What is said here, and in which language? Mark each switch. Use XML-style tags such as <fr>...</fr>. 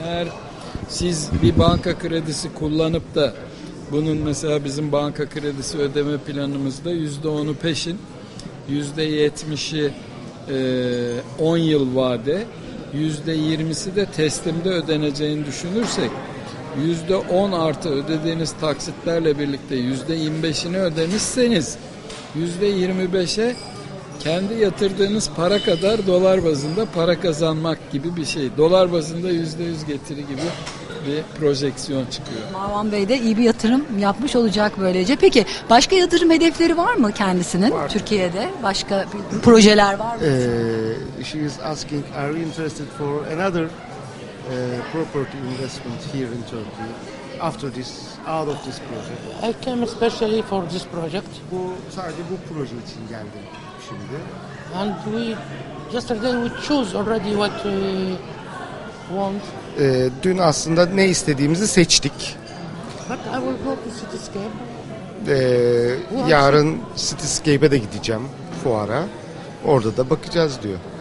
<tr>Eğer siz bir banka kredisi kullanıp da bunun, mesela bizim banka kredisi ödeme planımızda %10'u peşin, %70'i 10 yıl vade, %20'si de teslimde ödeneceğini düşünürsek, %10 artı ödediğiniz taksitlerle birlikte %25'ini ödemişseniz, %25'e kendi yatırdığınız para kadar dolar bazında para kazanmak gibi bir şey. Dolar bazında %100 getiri gibi bir projeksiyon çıkıyor. Marwan Bey de iyi bir yatırım yapmış olacak böylece. Peki başka yatırım hedefleri var mı kendisinin? Var. Türkiye'de başka projeler var mı?</tr> <en>She is asking, are you interested for another property investment here in Turkey after this, out of this project? I came especially for this project.</en> <tr>Bu sadece bu proje için geldim şimdi.</tr> <en>And we yesterday we chose already what we want.</en> <tr>Dün aslında ne istediğimizi seçtik.</tr> <en>But I will go to Cityscape.</en> <tr>Yarın Cityscape'e de gideceğim fuara. Orada da bakacağız diyor.</tr>